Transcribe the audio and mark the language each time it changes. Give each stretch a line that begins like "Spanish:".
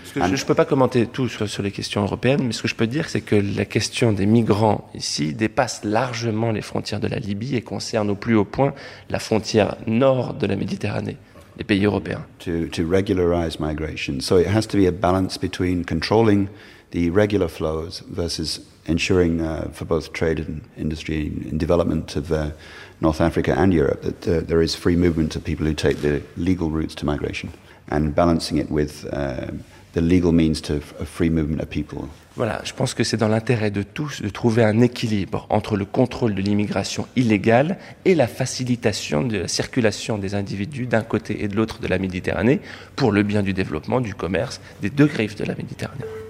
French: Je peux pas commenter tout sur les questions européennes, mais ce que je peux dire c'est que la question des migrants ici dépasse largement les frontières de la Libye et concerne au plus haut point la frontière nord de la Méditerranée. Les pays européens.
English: To regularize migration, so it has to be a balance between controlling the irregular flows versus ensuring for both trade and industry and development of North Africa and Europe that there is free movement of people who take the legal routes to migration, and balancing it with the legal means to a free movement of people.
French: Voilà, je pense que c'est dans l'intérêt de tous de trouver un équilibre entre le contrôle de l'immigration illégale et la facilitation de la circulation des individus d'un côté et de l'autre de la Méditerranée pour le bien du développement du commerce des deux griffes de la Méditerranée.